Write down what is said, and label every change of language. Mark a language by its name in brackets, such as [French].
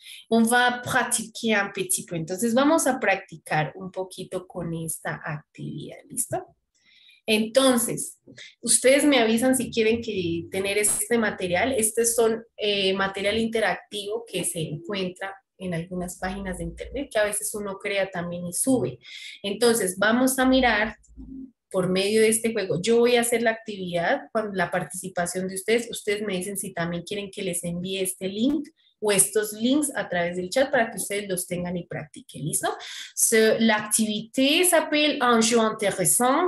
[French] On va pratiquer un petit peu. [Spanish] Entonces, vamos a practicar un poquito con esta actividad. ¿Listo? Entonces, ustedes me avisan si quieren que tener este material. Este es material interactivo que se encuentra en algunas páginas de internet que a veces uno crea también y sube. Entonces, vamos a mirar. Por medio de este juego, yo voy a hacer la actividad con la participación de ustedes. Ustedes me dicen si también quieren que les envíe este link o estos links a través del chat para que ustedes los tengan y practiquen. ¿Listo? [French] So, [Spanish] la actividad [French] s'appelle un jeu intéressant.